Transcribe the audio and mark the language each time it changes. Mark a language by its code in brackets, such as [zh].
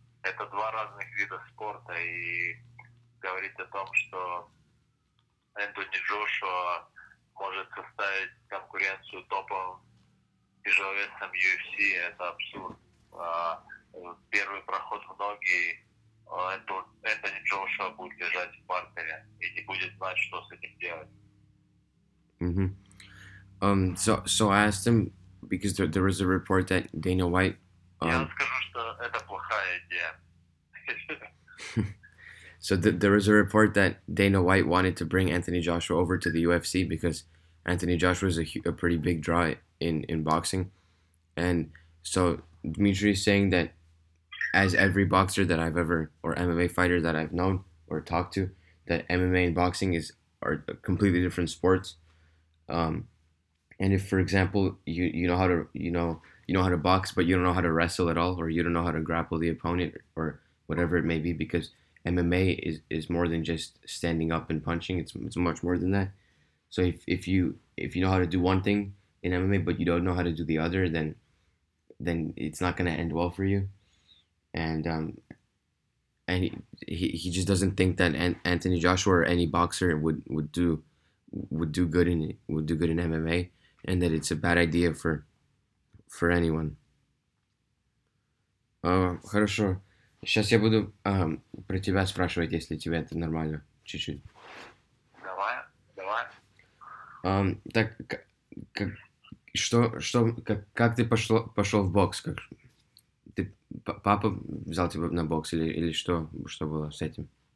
[ru] Это два разных вида спорта, и говорить о том, что Энтони Джошуа может составить конкуренцию топовым тяжеловесам UFC, это абсурд. Первый проход в ноги, Энтони Джошуа будет лежать в партере и не будет знать, что с этим делать. [en] So I asked him because there was a report that Dana White [ru] Я скажу, что это плохая идея. [en] So there was a report that Dana White wanted to bring Anthony Joshua over to the UFC because Anthony Joshua is a pretty big draw in boxing, and so Dmitry is saying that as every boxer that I've ever or MMA fighter that I've known or talked to, that MMA and boxing are completely different sports. And if, for example, you know how to box, but you don't know how to wrestle at all, or you don't know how to grapple the opponent, or whatever it may be, because MMA is more than just standing up and punching. It's much more than that. So if you know how to do one thing in MMA, but you don't know how to do the other, then it's not going to end well for you. And he just doesn't think that Anthony Joshua or any boxer would do good in MMA, and that it's a bad idea for anyone. [ru] Хорошо. Сейчас я буду про тебя спрашивать, если тебе это нормально, чуть-чуть. Давай. Так как ты пошел в бокс? Как ты, папа взял тебя на бокс или что было с этим?